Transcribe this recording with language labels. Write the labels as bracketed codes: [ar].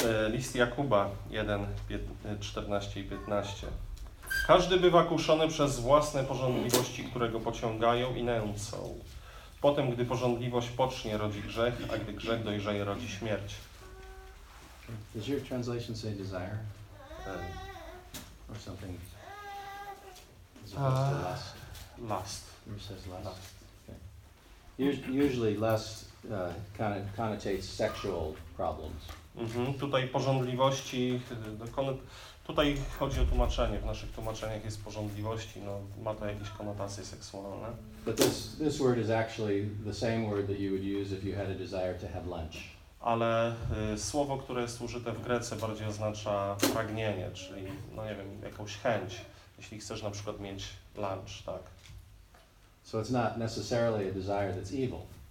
[pl] List Jakuba 1:14 i 15. Każdy bywa kuszony przez własne pożądliwości, które go pociągają i nęcą. Potem, gdy pożądliwość pocznie, rodzi grzech, a gdy grzech dojrzeje, rodzi śmierć. [en] Does your translation say desire? Or something? Lust. Lust. Yours says lust. Okay. Usually lust connotates sexual problems. [pl] Tutaj pożądliwości... Tutaj chodzi o tłumaczenie. W naszych tłumaczeniach jest pożądliwości, no ma to jakieś konotacje seksualne. [en] But this word is actually the same word that you would use if you had a desire to have lunch. [pl] Ale słowo, które jest użyte w Grece, bardziej oznacza pragnienie, czyli no nie wiem, jakąś chęć, jeśli chcesz na przykład mieć lunch, tak. [en] So it's not necessarily a desire that's evil.